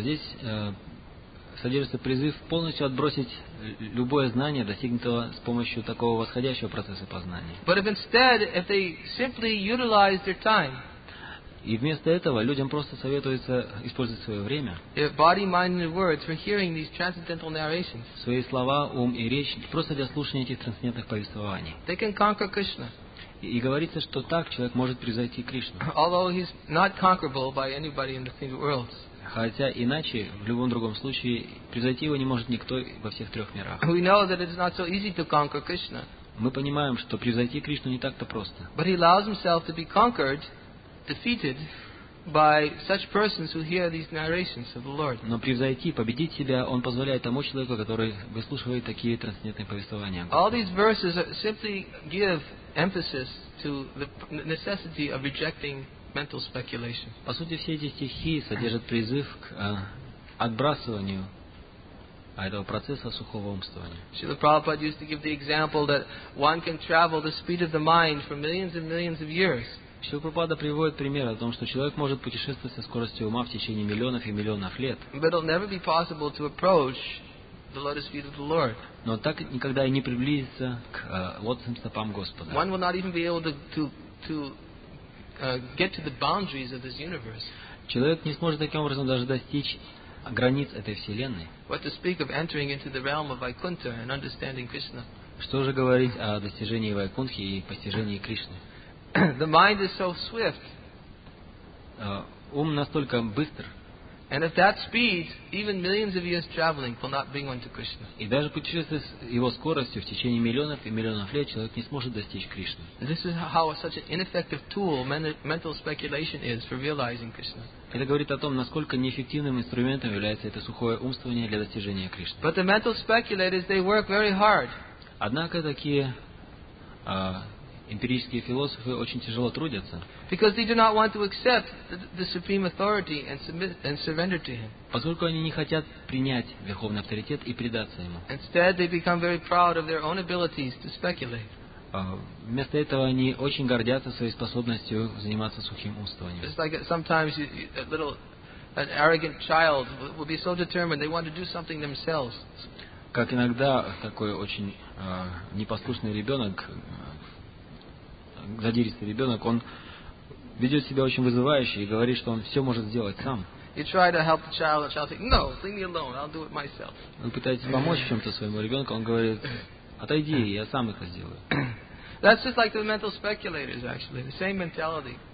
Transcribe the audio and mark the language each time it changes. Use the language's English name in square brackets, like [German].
[Russian] Здесь содержится призыв полностью отбросить любое знание, достигнутое с помощью такого восходящего процесса познания. [English] But if instead, if they simply utilize their time, [Russian] и вместо этого людям просто советуется использовать свое время, [English] their body, mind, and words for hearing these transcendental narrations, [Russian] свои слова, ум и речь просто для слушания этих трансцендентных повествований, [English] they can conquer Krishna. [Russian] И говорится, что так человек может превзойти Кришну. [English] Although he's not conquerable by anybody in the three worlds. [Russian] Хотя иначе, в любом другом случае, превзойти его не может никто во всех трех мирах. [English] We know that it's not so easy to conquer Krishna. [Russian] Мы понимаем, что превзойти Кришну не так-то просто. [English] But he allows himself to be conquered, defeated by such persons who hear these narrations of the Lord. [Russian] Но превзойти, победить себя, он позволяет тому человеку, который выслушивает такие трансцендентные повествования. [English] All these verses simply give emphasis to the necessity of rejecting mental speculation. [Russian] По сути, все эти стихи содержат призыв к отбрасыванию а этого процесса сухого умствования. [English] Шрила Прабхупада used to give the example that one can travel the speed of the mind for millions and millions of years. [Russian] Шрила Прабхупада приводит пример о том, что человек может путешествовать со скоростью ума в течение миллионов и миллионов лет. [English] But it'll never be possible to approach the lotus feet of the Lord. [Russian] Но так никогда и не приблизиться к лотосным стопам Господа. [English] One will not even be able to get to the boundaries of this universe. [Russian] Человек не сможет таким образом даже достичь границ этой вселенной. [English] What to speak of entering into the realm of Vaikuntha and understanding Krishna? [Russian] Что же говорить о достижении Вайкунтхи и постижении Кришны? [English] The mind is so swift. [Russian] Ум настолько быстр. [English] And at that speed, even millions of years traveling will not bring one to Krishna. [Russian] И даже путешествуя с его скоростью в течение миллионов и миллионов лет, человек не сможет достичь Кришны. [English] This is how such an ineffective tool mental speculation is for realizing Krishna. [Russian] Это говорит о том, насколько неэффективным инструментом является это сухое умствование для достижения Кришны. [English] But the mental speculators, they work very hard. [Russian] Однако такие эмпирические философы очень тяжело трудятся. [English] Because they do not want to accept the supreme authority and submit and surrender to him. [Russian] Поскольку они не хотят принять верховный авторитет и предаться ему. [English] Instead, they become very proud of their own abilities to speculate. [Russian] Вместо этого они очень гордятся своей способностью заниматься сухим умствованием. [English] It's like sometimes an arrogant child will be so determined they want to do something themselves. [Russian] Как иногда такой очень непослушный ребенок. Задиристый ребенок, он ведет себя очень вызывающе и говорит, что он все может сделать сам. Вы пытаетесь помочь чем-то своему ребенку, он говорит, отойди, я сам это сделаю. [English] That's just like the mental speculators, actually, the same mentality.